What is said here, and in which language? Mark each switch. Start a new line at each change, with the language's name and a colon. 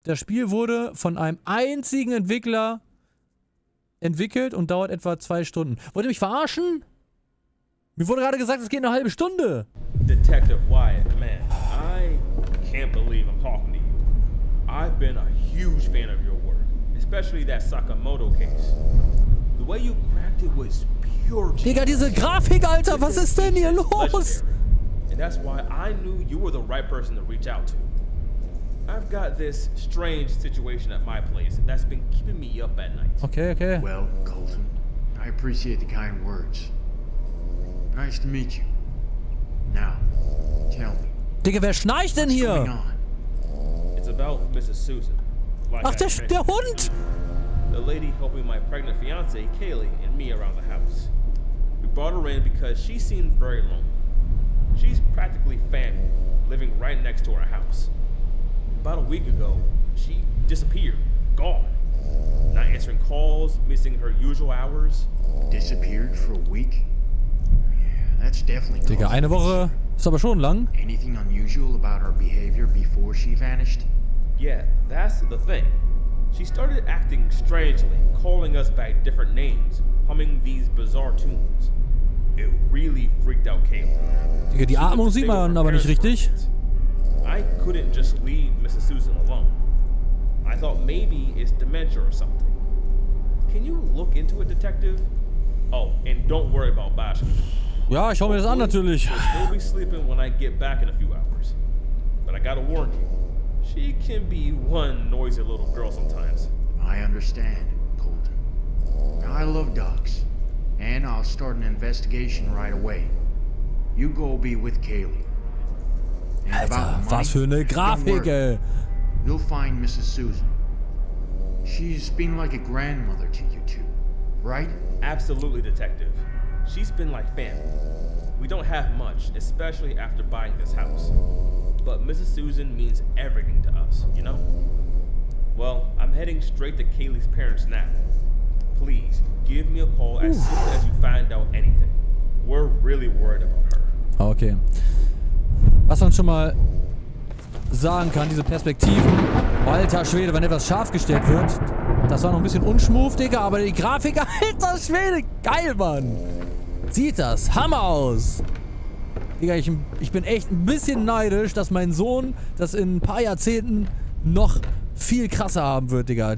German: Das Spiel wurde von einem einzigen Entwickler entwickelt und dauert etwa 2 Stunden. Wollt ihr mich verarschen? Mir wurde gerade gesagt, es geht eine halbe Stunde.
English: Detective Wyatt, man, I can't believe I'm talking to you. I've been a huge fan of your work, especially that Sakamoto case. The way you cracked it was pure genius.
German: Digga, diese Grafik, Alter, was ist denn hier los?
English: And that's why I knew you were the right person to reach out to. I've got this strange situation at my place that's been keeping me up at night. Okay, okay. Well, Colton, I appreciate the kind words. Nice to meet you. Now, tell me.
German: Digga, wer schnarcht denn hier?
English: What's going on? It's about Mrs. Susan.
German: Like ach, der Hund!
English: The lady helping my pregnant fiance, Kaylee, and me around the house. We brought her in because she seemed very lonely. She's practically family, living right next to our house. About a week ago, she disappeared, gone. Not answering calls, missing her usual hours. Disappeared for a week? That's definitely
German: Digga, eine Woche ist aber schon lang.
English: Anything unusual about her behavior before she vanished? Yeah, that's the thing. She started acting strangely, calling us by different names, humming these bizarre tunes. It really freaked out Kayla.
German: Digga, die Atmung sieht man aber nicht richtig.
English: I couldn't just leave Mrs. Susan alone. I thought maybe it's dementia or something. Can you look into it, detective? Oh, and don't worry about Bash.
German: Ja, ich schau mir das an, natürlich.
English: She'll be sleeping when I get back in a few hours. But I gotta warn you. She can be one noisy little girl sometimes. I understand, Colton. I love dogs. And I'll start an investigation right away. You go be with Kaylee. And
German: Alter,
English: about money,
German: was für eine Grafik, ey.
English: You'll find Mrs. Susan. She's been like a grandmother to you two, right? Absolutely, detective. She's been like family. We don't have much, especially after buying this house. But Mrs. Susan means everything to us, you know? Well, I'm heading straight to Kaylee's parents now. Please, give me a call as soon as you find out anything. We're really worried about her. Okay.
German: Was man schon mal sagen kann, diese Perspektiven. Alter Schwede, wenn etwas scharf gestellt wird. Das war noch ein bisschen unschmoof, Digga, aber die Grafik, alter Schwede, geil, Mann. Sieht das Hammer aus. Digga, ich bin echt ein bisschen neidisch, dass mein Sohn das in ein paar Jahrzehnten noch viel krasser haben wird, Digga.